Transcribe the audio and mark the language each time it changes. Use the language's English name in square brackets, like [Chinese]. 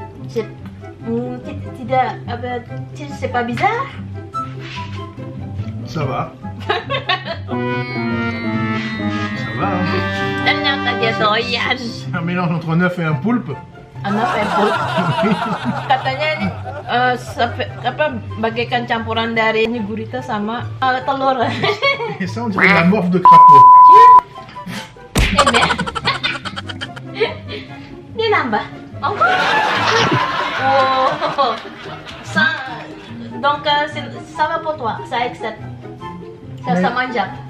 [French] C'est pas bizarre? Ça va. C'est un mélange entre un œuf et un poulpe. Un œuf et un poulpe. [Indonesian] Katanya ini apa bagaikan campuran dari ini gurita sama telur. [French] Et ça on dirait la morve de crapaud. Eh bien. [Indonesian] Ni nambah. [French] Encore. Oh. Donc ça va pour toi. Ça accepte. Ça mange.